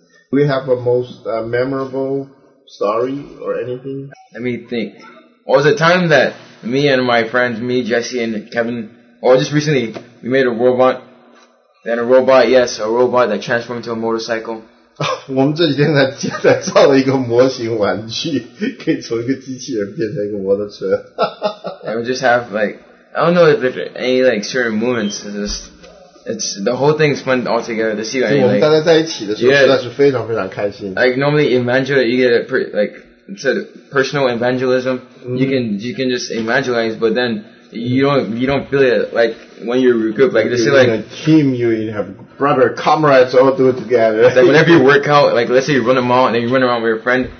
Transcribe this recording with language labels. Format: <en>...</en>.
<en>Do you have a most memorable story or anything? Let me think. Well, the time that me and my friends, me, Jesse, and Kevin, just recently, we made a robot. Then a robot, yes, a robot that transformed into a motorcycle.</en> <zh>我们这几天才造了一个模型玩具，可以从一个机器人变成一个摩托车。</zh> <en>And we just have, like, I don't know if there's any, like, certain moments. It's the whole thing is fun all together to see, like,</en> <zh>我们大家在一起的时候实在是非常非常开心。</zh> <en>Like, normally, imagine you get a pretty, like, it's a personal evangelism. Mm-hmm. You can just evangelize, but then you don't feel it like when you're group. Like you're say like a team, you have brother, comrades, all do it together. It's like whenever you work out, like let's say you run a mile and then you run around with your friend.</en>